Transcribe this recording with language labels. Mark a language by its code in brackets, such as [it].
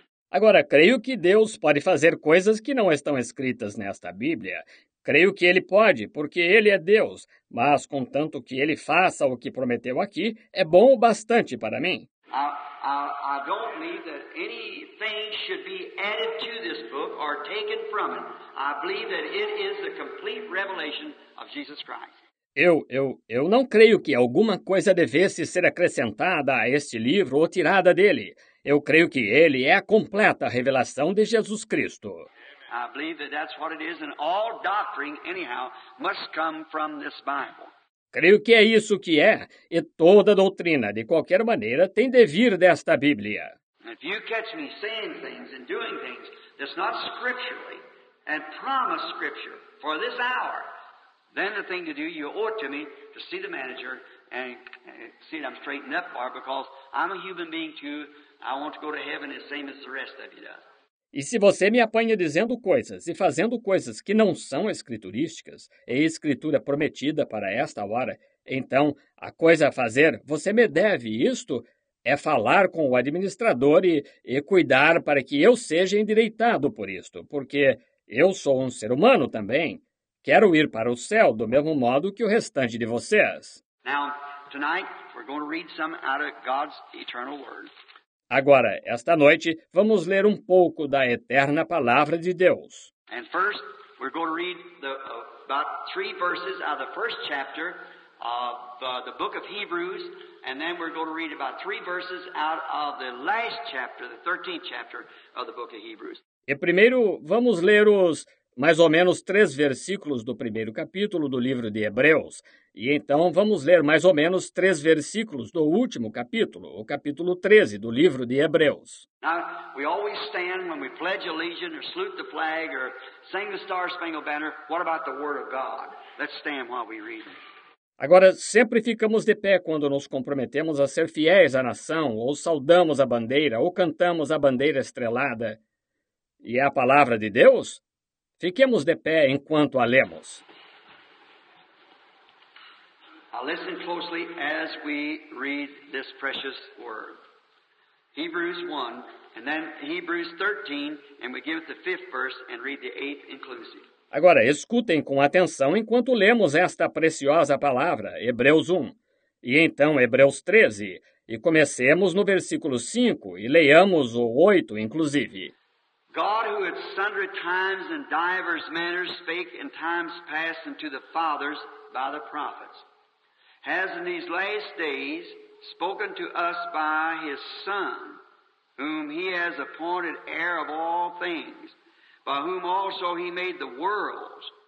[pt] Agora, creio que Deus pode fazer coisas que não estão escritas nesta Bíblia. Creio que Ele pode, porque Ele é Deus. Mas, contanto que Ele faça o que prometeu aqui, é bom o bastante para mim. [en] I don't believe that anything should be added to this book or taken from it. I believe that it is the complete revelation of Jesus Christ. [pt] Eu não creio que alguma coisa devesse ser acrescentada a este livro ou tirada dele. Eu creio que ele é a completa revelação de Jesus Cristo. [en] I believe that that's what it is, and all doctrine, anyhow, must come from this Bible. [pt] Creio que é isso que é, e toda doutrina, de qualquer maneira, tem de vir desta Bíblia. [en] If you catch me saying things and doing things that's not scripturally and promise scripture for this hour, then the thing to do, you owe it to me to see the manager and see that I'm straightened up for, because I'm a human being too. I want to go to heaven the same as the rest of you does. [pt] E se você me apanha dizendo coisas e fazendo coisas que não são escriturísticas e escritura prometida para esta hora, então a coisa a fazer, você me deve isto, é falar com o administrador e cuidar para que eu seja endireitado por isto, porque eu sou um ser humano também. Quero ir para o céu do mesmo modo que o restante de vocês. [en] Now, tonight, we're going to read some out of God's eternal word. [pt] Agora, esta noite, vamos ler um pouco da eterna palavra de Deus. [en] And first, we're going to read about three verses out of the first chapter of the book of Hebrews, and then we're going to read about three verses out of the last chapter, the 13th chapter of the book of Hebrews. [pt] E primeiro, vamos ler os mais ou menos três versículos do primeiro capítulo do livro de Hebreus. E então vamos ler mais ou menos três versículos do último capítulo, o capítulo 13 do livro de Hebreus. [en] Now, we always stand when we pledge allegiance or salute the flag or sing the Star-Spangled Banner. What about the Word of God? Let's stand while we read. [pt] Agora, sempre ficamos de pé quando nos comprometemos a ser fiéis à nação, ou saudamos a bandeira, ou cantamos a bandeira estrelada. E a palavra de Deus? Fiquemos de pé enquanto a lemos. [en] I'll listen closely as we read this precious word. Hebrews 1, and then Hebrews 13, and we give it the fifth verse and read the eighth inclusive. [pt] Agora, escutem com atenção enquanto lemos esta preciosa palavra, Hebreus 1. E então, Hebreus 13, e comecemos no versículo 5 e leiamos o 8, inclusive. [en] God, who at sundry times and divers manners spake in times past unto the fathers by the prophets, has in these last days spoken to us by his Son, whom he has appointed heir of all things, by whom also he made the worlds.